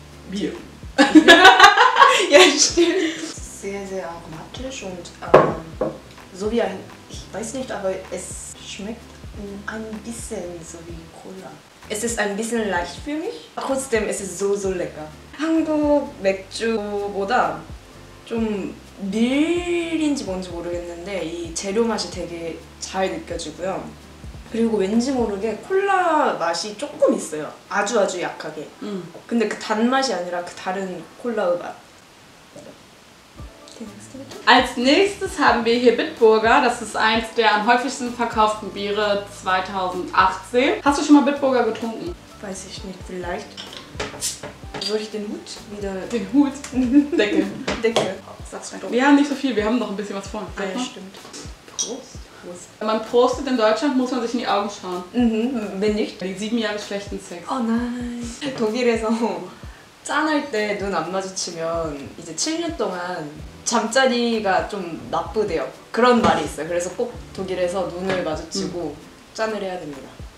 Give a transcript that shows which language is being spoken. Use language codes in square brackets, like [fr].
[de] Bier. Ja, stimmt. Sehr, sehr aromatisch und so wie ein, ich weiß nicht, aber es schmeckt ein bisschen so wie Cola. Es ist ein bisschen leicht für mich, trotzdem ist es so, so lecker. [ko] 한국 맥주보다 좀 밀인지 뭔지 모르겠는데 이 재료 맛이 되게 잘 느껴지고요. 그리고 왠지 모르게 콜라 맛이 조금 있어요. 아주 아주 약하게. 근데 그 단맛이 아니라 그 다른 콜라의 맛. [de] Als nächstes haben wir hier Bitburger. Das ist eins der am häufigsten verkauften Biere 2018. Hast du schon mal Bitburger getrunken? Weiß ich nicht, vielleicht. Soll ich den Hut wieder... Den Hut? Decke. Decke. Sag's mir. Ja, nicht so viel. Wir haben noch ein bisschen was vor. Ja, stimmt. Prost. Prost. Wenn man prostet in Deutschland, muss man sich in die Augen schauen. Mhm, wenn nicht. Die 7 Jahre schlechten Sex. Oh nein. [ko] 독일에서 짠할 때 눈 안 마주치면 이제 7년 동안 잠자리가 좀 나쁘대요. 그런 말이 있어요. 그래서 꼭 독일에서 눈을 마주치고 짠을 해야 됩니다.